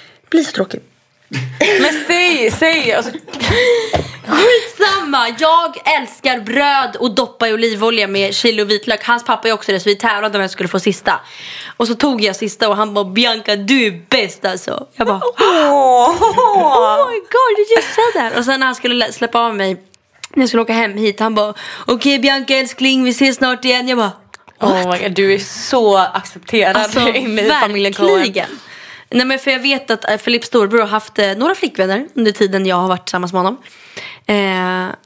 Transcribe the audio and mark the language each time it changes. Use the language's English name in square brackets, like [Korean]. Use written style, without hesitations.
[Swedish] Blir så tråkig. Men säg! Alltså. Skitsamma! Jag älskar bröd och doppa i olivolja med chili och vitlök. Hans pappa är också det, så vi tävlade om jag skulle få sista. Och så tog jag sista och han bara, Bianca, du är bäst alltså. Jag bara, [English] oh my god, did you say that? [Swedish] Och sen när han skulle släppa av mig, när jag skulle åka hem hit, han bara, okej, Bianca älskling, vi ses snart igen. Jag bara, [English] what? Oh my god, [Swedish] du är så accepterad alltså, i familjen Cohen. Verkligen. Nej, men för jag vet att Filips storbror har haft några flickvänner under tiden jag har varit tillsammans med honom.